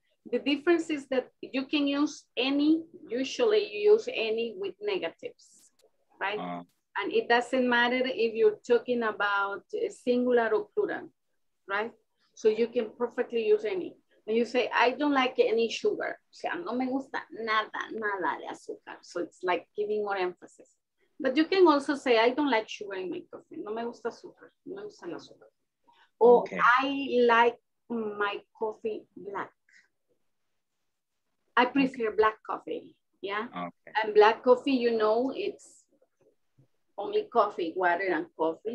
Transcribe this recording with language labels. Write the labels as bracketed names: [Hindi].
[English] The difference is that you can use any, usually you use any with negatives, right? And it doesn't matter if you're talking about singular or plural, right? So you can perfectly use any. And you say, I don't like any sugar. [Spanish] O sea, no me gusta nada, nada de azúcar. [English] So it's like giving more emphasis. But you can also say, I don't like sugar in my coffee. [Spanish] No me gusta azúcar. No me gusta el azúcar. [English] Or okay. I like my coffee black. I prefer okay. black coffee. Yeah. Okay. And black coffee, you know, it's only coffee, water and coffee.